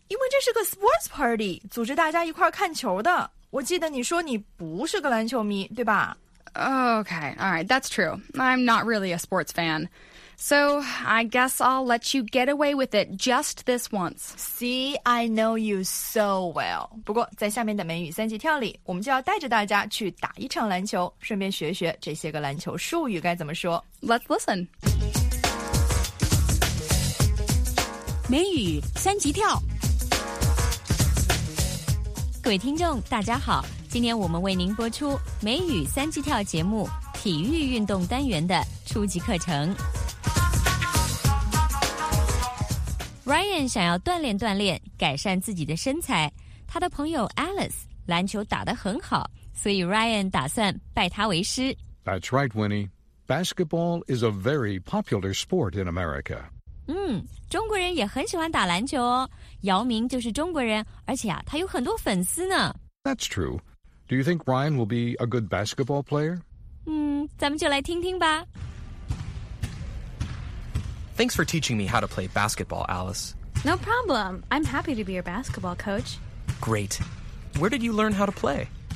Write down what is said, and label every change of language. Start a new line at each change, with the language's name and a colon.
Chinese: 因为这是个
English: sports party
Chinese: 组织大家一块看球的我记得你说你不是个篮球迷，对吧
English: Okay, all right, that's true. I'm not really a sports fan. So, I guess I'll let you get away with it just this once. See, I know you so well.
Chinese: 不过在下面的美语三级跳里，我们就要带着大家去打一场篮球，顺便学学这些个篮球术语该怎么说。
English: Let's listen.
Chinese: 美语三级跳各位听众大家好今天我们为您播出美语三级跳节目体育运动单元的初级课程 Ryan 想要锻炼锻炼改善自己的身材他的朋友 Alice 篮球打得很好所以 Ryan 打算拜他为师
English: That's right Winnie Basketball is a very popular sport in America
Chinese: 中国人也很喜欢打篮球哦。姚明就是中国人，而且啊，他有很多粉丝呢。
English: That's true. Do you think Ryan will be a good basketball player?
Chinese: 咱们就来听听吧。
English: Thanks for teaching me how to play basketball, Alice. No problem. I'm happy to be your basketball coach. Great. Where did you learn how to play?